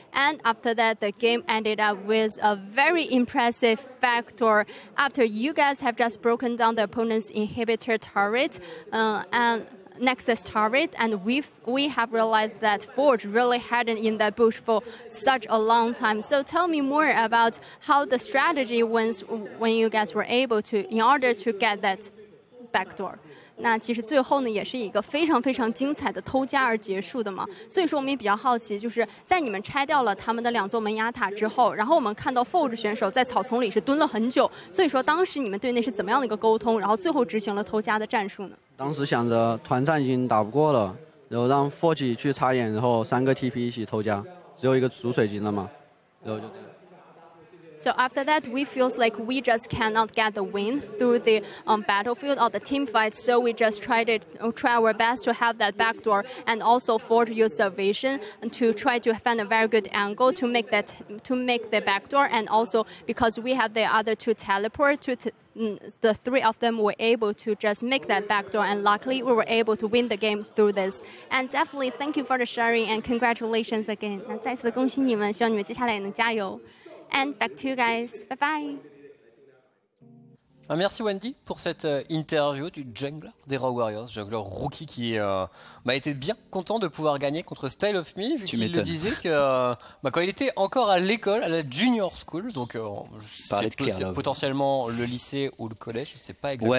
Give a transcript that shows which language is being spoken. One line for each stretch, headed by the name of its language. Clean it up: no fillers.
English: And after that, the game ended up with a very impressive backdoor after you guys have just broken down the opponent's inhibitor turret and Nexus turret, and we have realized that Forge really hadn't in that bush for such a long time. So tell me more about how the strategy went when you guys were able to, in order to get that backdoor.
Chinese: 那其实最后呢，也是一个非常非常精彩的偷家而结束的嘛。所以说我们也比较好奇，就是在你们拆掉了他们的两座门牙塔之后，然后我们看到 Forge 选手在草丛里是蹲了很久，所以说当时你们队内是怎么样的一个沟通，然后最后执行了偷家的战术呢？当时想着团战已经打不过了，然后让 Forge 去插眼，然后三个 TP 一起偷家，只有一个主水晶了嘛，然后就。
English: So after that, we feels like we just cannot get the win through the battlefield or the team fight. So we just try our best to have that backdoor, and also Forge use the vision to try to find a very good angle to make the backdoor. And also because we have the other two teleport, the three of them were able to just make that backdoor. And luckily, we were able to win the game through this. And definitely, thank you for the sharing and congratulations again.
Chinese: 那再次恭喜你们，希望你们接下来也能加油。
English: And back to you guys. Bye-bye.
French: Merci Wendy pour cette interview du jungler des Rogue Warriors. Jungler rookie qui m'a été bien content de pouvoir gagner contre Style of Me. Vu tu qu'il m'étonnes. Il disait que quand il était encore à l'école, à la junior school, donc potentiellement le lycée ou le collège, je ne sais pas exactement.